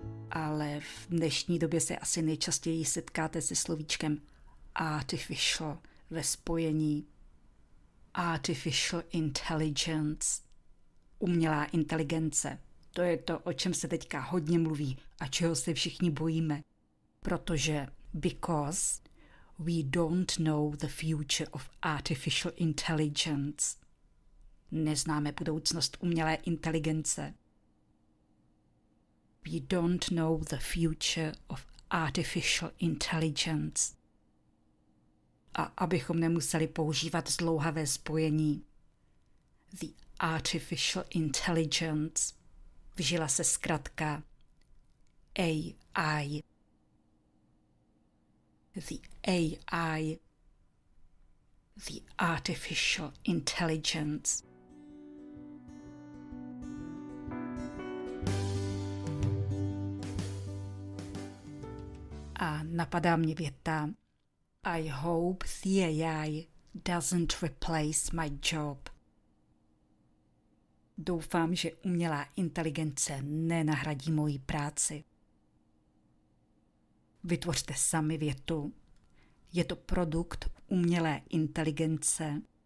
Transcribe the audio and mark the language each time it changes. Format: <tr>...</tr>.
<cs>Ale v dnešní době se asi nejčastěji setkáte se slovíčkem artificial ve spojení artificial intelligence. Umělá inteligence. To je to, o čem se teďka hodně mluví a čeho se všichni bojíme. Protože</cs> <en>because we don't know the future of artificial intelligence.</en> <cs>Neznáme budoucnost umělé inteligence.</cs> <en>We don't know the future of artificial intelligence.</en> <cs>A abychom nemuseli používat zdlouhavé spojení.</cs> <en>The artificial intelligence.</en> <cs>Vžila se zkratka AI.</cs> <en>The AI. The artificial intelligence.</en> <cs>A napadá mě věta.</cs> <en>I hope the AI doesn't replace my job.</en> <cs>Doufám, že umělá inteligence nenahradí moji práci. Vytvořte sami větu. Je to produkt umělé inteligence.</cs>